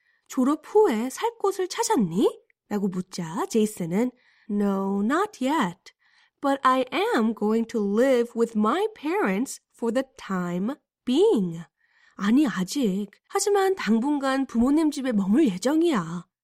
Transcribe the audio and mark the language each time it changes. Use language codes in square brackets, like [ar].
[ko] 졸업 후에 살 곳을 찾았니? 라고 묻자 제이슨은 [en] No, not yet. But I am going to live with my parents for the time being. [ko] 아니, 아직. 하지만 당분간 부모님 집에 머물 예정이야.